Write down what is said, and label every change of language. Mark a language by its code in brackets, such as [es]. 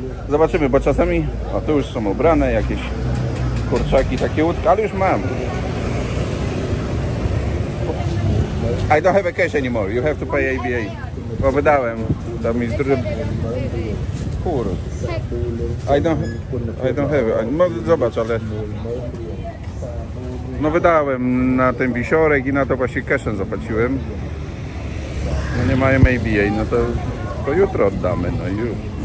[pl] Zobaczymy, bo czasami, a tu już są ubrane jakieś kurczaki, takie łódki, ale już mam. [en] I don't have a cash anymore, you have to pay ABA. [pl] Bo wydałem, to mi [en] I don't have, [pl] zobacz, ale... No wydałem na ten wisiorek i na to właśnie cashem zapłaciłem. No nie mają ABA, no to jutro oddamy, no już.